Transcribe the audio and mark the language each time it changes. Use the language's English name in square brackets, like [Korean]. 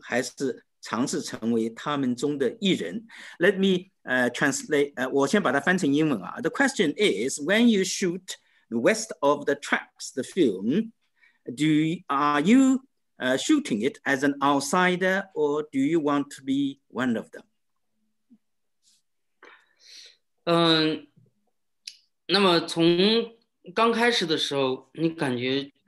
[Chinese] 我看不到，上面没有。那我给你读一下啊，王斌先生，我想问一下，您在拍摄的时候，比如说西铁铁西区，您是站在一个局外人的角度，还是尝试成为他们中的一人？ [English] Let me translate. [Chinese] 我先把它翻成英文啊。 [English] The question is, when you shoot the west of the tracks, the film, are you shooting it as an outsider, or do you want to be one of them? [Chinese] 那么从刚开始的时候，你感觉